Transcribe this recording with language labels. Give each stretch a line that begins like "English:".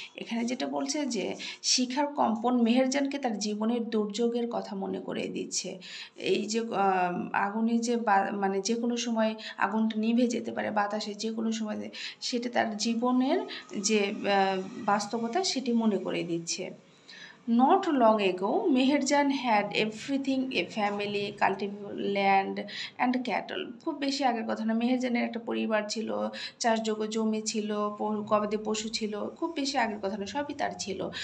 Bangla: এখানে যেটা বলছে যে শিখার কম্পন মেহেরজানকে তার জীবনের দুর্যোগের কথা মনে করে দিচ্ছে। এই যে আগুনে যে মানে যে কোনো সময় আগুনটা নিভে যেতে পারে বাতাসে যে কোনো সময়, সেটা তার জীবনের যে বাস্তবতা সেটি মনে করে দিচ্ছে।
English: Not long ago, Meherjan had everything, a family, cultivable land and cattle.
Bangla: খুব বেশি আগের কথা না, মেহেরজানের একটা পরিবার ছিল, চাষযোগ্য জমি ছিল, গবাদি পশু ছিল, খুব বেশি আগের কথা না, সবই তার ছিল।